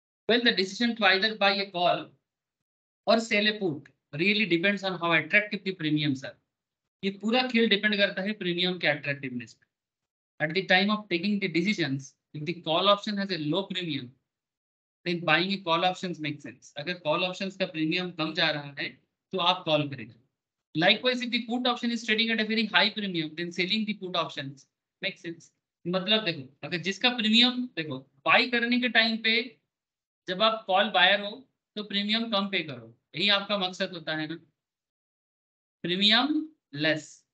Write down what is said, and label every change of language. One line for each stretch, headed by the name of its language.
English: well the decision to either buy a call or sell a put really depends on how attractive the premium sir,
Hindi: ये पूरा खेल depend करता है premium के अट्रैक्टिवनेस पे।
English: at the time of taking the decisions if the call option has a low premium then buying a call options make sense,
Hindi: अगर call options का premium कम जा रहा है तो आप कॉल करेंगे।
English: Likewise, if the put option is trading at a very high premium, then selling the put options makes sense.
Hindi: मतलब देखो, अगर जिसका प्रीमियम देखो बाई करने के टाइम पे जब आप कॉल बायर हो तो प्रीमियम कम पे करो, यही आपका मकसद होता है ना, प्रीमियम लेस।